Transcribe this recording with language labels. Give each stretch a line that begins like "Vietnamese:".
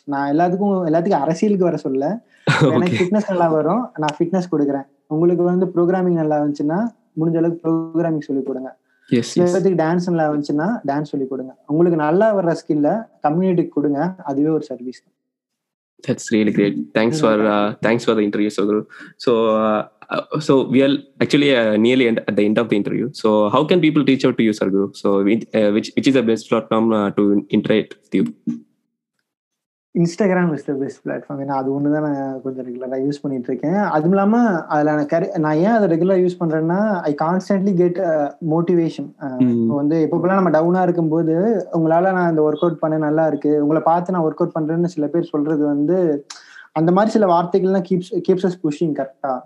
Tamil: நான் எல்லாத்துக்கும் அரசியலுக்கு வர சொல்ல, எனக்கு ஃபிட்னஸ் நல்லா வரும், நான் ஃபிட்னஸ் கொடுக்குறேன். உங்களுக்கு வந்து ப்ரோக்ராமிங் நல்லா வந்துச்சுன்னா முடிஞ்ச அளவுக்கு ப்ரோக்ராமிங் சொல்லி கொடுங்க. டான்ஸ் நல்லா வந்துச்சுன்னா டான்ஸ் சொல்லி கொடுங்க. உங்களுக்கு நல்லா வர்ற ஸ்கில்ல கம்யூனிட்டிக்கு கொடுங்க, அதுவே ஒரு service.
English: That's really great. Thanks for the interview, Soguru. So we are actually nearly at the end of the interview. So how can people reach out to you, Soguru? So which is the best platform to interact with you? Instagram is the best platform.
Tamil: அது ஒன்று தான் நான் கொஞ்சம் ரெகுலராக use பண்ணிட்டு இருக்கேன். அதுவும் இல்லாமல் அதில் நான் ஏன் அதை ரெகுலராக யூஸ் பண்ணுறேன்னா,
English: I constantly get motivation.
Tamil: வந்து எப்பப்பெல்லாம் நம்ம டவுனாக இருக்கும்போது உங்களால் நான் இந்த ஒர்க் அவுட் பண்ண நல்லா இருக்கு, உங்களை பார்த்து நான் ஒர்க் அவுட் பண்ணுறேன்னு சில பேர் சொல்றது வந்து அந்த மாதிரி சில வார்த்தைகள் தான்
English: keeps us pushing
Tamil: கரெக்டாக.